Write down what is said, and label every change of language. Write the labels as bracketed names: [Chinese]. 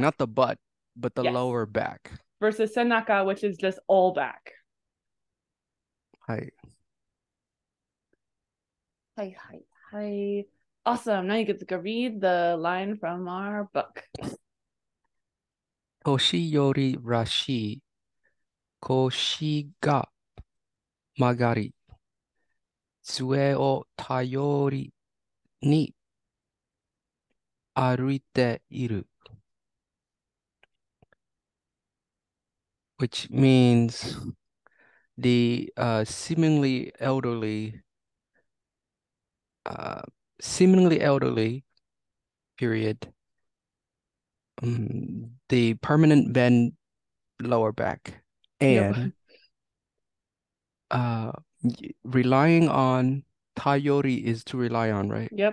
[English] Not the butt, but the lower back. Versus senaka, which is just all back. Hi. Hi, hi, hi. Awesome. Now you get to read the line from our book. [Japanese] Koshi yori rashi 腰が曲がり、杖を頼りに歩いている。 [English] Which means the seemingly elderly period, the permanent bend lower back, and relying on, tayori is to rely on, right?